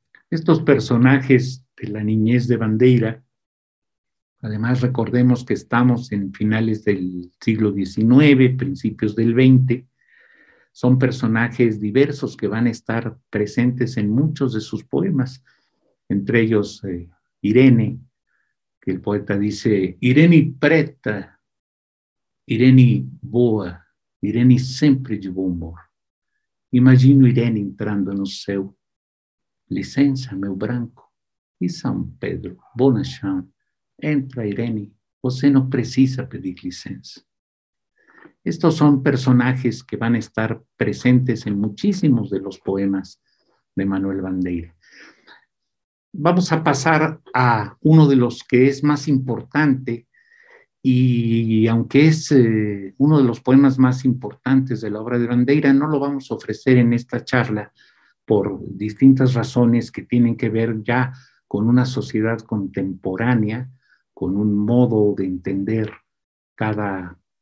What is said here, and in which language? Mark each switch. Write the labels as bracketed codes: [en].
[es] Estos personajes de la niñez de Bandeira, además recordemos que estamos en finales del siglo XIX, principios del XX, son personajes diversos que van a estar presentes en muchos de sus poemas, entre ellos Irene, que el poeta dice, [pt] Irene preta, Irene boa, Irene sempre de bom humor. Imagino Irene entrando no céu, licença, meu branco, e São Pedro, bona chão, entra Irene, você não precisa pedir licença. [es] Estos son personajes que van a estar presentes en muchísimos de los poemas de Manuel Bandeira. Vamos a pasar a uno de los que es más importante, y aunque es uno de los poemas más importantes de la obra de Bandeira, no lo vamos a ofrecer en esta charla por distintas razones que tienen que ver ya con una sociedad contemporánea, con un modo de entender cada